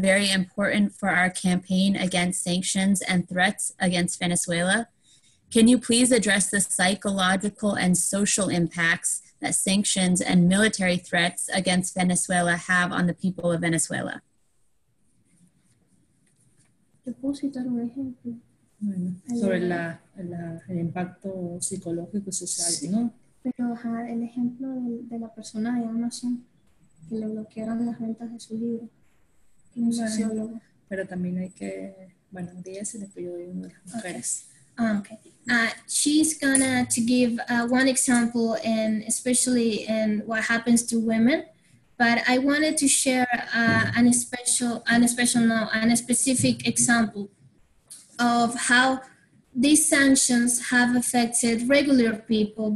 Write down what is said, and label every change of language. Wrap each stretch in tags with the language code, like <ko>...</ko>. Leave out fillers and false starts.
<en>Very important for our campaign against sanctions and threats against Venezuela. Can you please address the psychological and social impacts that sanctions and military threats against Venezuela have on the people of Venezuela?</en> <es>¿Te puedo citar un ejemplo? Bueno, sobre el impacto psicológico y social, sí, ¿no? Pero ajá, el ejemplo de la persona de Amazon que le bloquearon las ventas de su libro, un sociólogo. Pero también hay que, bueno, un día se le pidió de una de las mujeres.</es> <en>Okay. She's gonna to give one example, and especially in what happens to women. But I wanted to share a specific example of how these sanctions have affected regular people.</en>